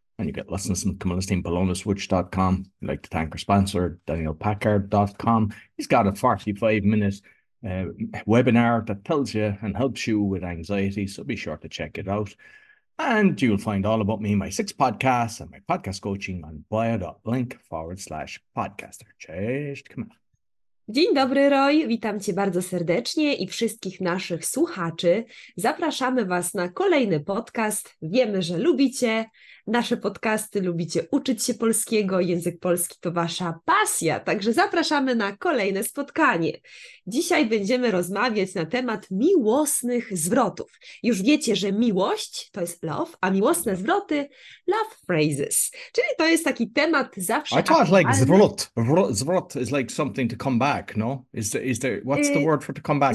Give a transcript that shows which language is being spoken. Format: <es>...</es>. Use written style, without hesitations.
<en>And you get lessons from CommunistInPolonaSwitch.com. I'd like to thank our sponsor, DanielPackard.com. He's got a 45-minute webinar that tells you and helps you with anxiety, so be sure to check it out. And you'll find all about me, my 6 podcasts, and my podcast coaching on bio.link/podcaster.</en> <pl>Cześć,</pl> <en>come on.</en> <pl>Dzień dobry, Roy. Witam Cię bardzo serdecznie i wszystkich naszych słuchaczy. Zapraszamy Was na kolejny podcast. Wiemy, że lubicie nasze podcasty, lubicie uczyć się polskiego. Język polski to Wasza pasja, także zapraszamy na kolejne spotkanie. Dzisiaj będziemy rozmawiać na temat miłosnych zwrotów. Już wiecie, że miłość to jest love, a miłosne zwroty</pl> <en>love phrases.</en> <pl>Czyli to jest taki temat zawsze aktualny.</pl> <en>I thought like zwrot. Zwrot is like something to come back. Back, no, is there what's the word for to come back?</en>